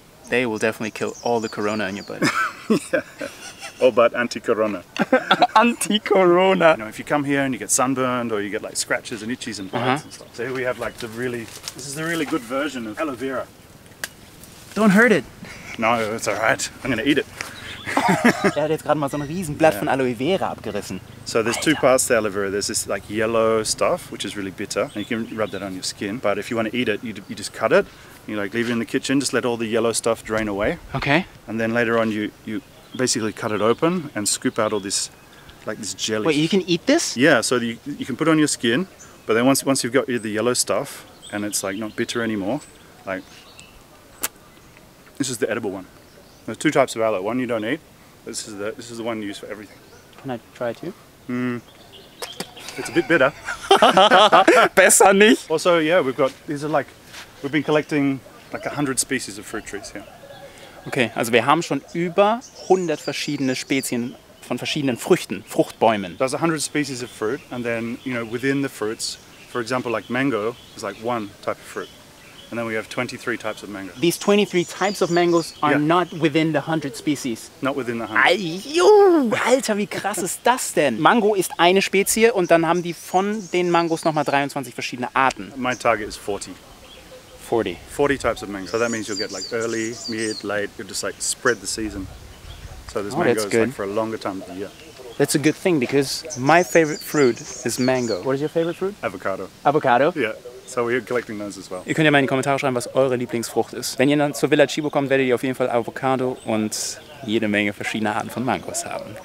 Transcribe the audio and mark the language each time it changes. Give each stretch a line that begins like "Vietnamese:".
English: They will definitely kill all the corona in your body. Yeah. All but anti-corona. Anti-corona. You know, if you come here and you get sunburned or you get like scratches and itches and bites and stuff. So here we have like the really, this is the really good version of aloe vera. Don't hurt it. No, it's all right. I'm going to eat it.
German: Er hat jetzt gerade mal so ein Riesenblatt von Aloe Vera abgerissen.
English: So there's two parts to aloe vera. There's this like yellow stuff, which is really bitter. And you can rub that on your skin. But if you want to eat it, you just cut it. You like leave it in the kitchen, just let all the yellow stuff drain away. Okay. And then later on you basically cut it open and scoop out all this, like this jelly. Wait, you can eat this? Yeah, so you can put it on your skin, but then once you've got the yellow stuff and it's like not bitter anymore, like this is the edible one. There's two types of aloe. One you don't eat, but this is the one you use for everything. Can I try too? It's a bit bitter.
German: Besser nicht.
English: Also, yeah, we've got, these are like, we've been collecting like 100 species of fruit trees here.
German: Okay, also wir haben schon über 100 verschiedene Spezien von verschiedenen Früchten, Fruchtbäumen.
English: There's 100 species of fruit, and then, you know, within the fruits, for example, like mango is like one type of fruit. And then we have 23 types of mango. These 23 types of mangoes are not within the 100 species. Not within the 100.
German: Ayo, Alter, wie krass ist das denn? Mango ist eine Spezie und dann haben die von den Mangos nochmal 23 verschiedene Arten.
English: My target is 40. 40 types of mango. So that means you'll get like early, mid, late, you'll just like spread the season. So this mango is like for a longer time of the year. That's a good thing because my favorite fruit is mango. What is your favorite fruit? Avocado. Avocado? Yeah. So we're collecting those as well.
German: Ihr könnt ja mal in die Kommentare schreiben, was eure Lieblingsfrucht ist. Wenn ihr dann zur Villa Chibo kommt, werdet ihr auf jeden Fall Avocado und jede Menge verschiedene Arten von Mangos haben.